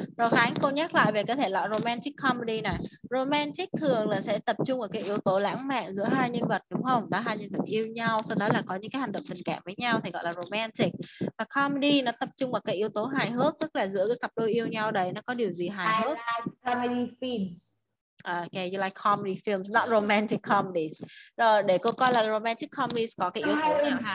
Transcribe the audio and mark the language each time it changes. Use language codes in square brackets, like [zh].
[vi] Rồi Khánh, cô nhắc lại về cái thể loại romantic comedy này. Romantic thường là sẽ tập trung vào cái yếu tố lãng mạn giữa hai nhân vật, đúng không? Đó, hai nhân vật yêu nhau, sau đó là có những cái hành động tình cảm với nhau thì gọi là romantic. Và comedy nó tập trung vào cái yếu tố hài hước, tức là giữa cái cặp đôi yêu nhau đấy nó có điều gì hài hước. [en] I like comedy films. Okay, you like comedy films, not romantic comedies. [vi] Rồi, để cô coi là romantic comedies có cái yếu tố nào ha?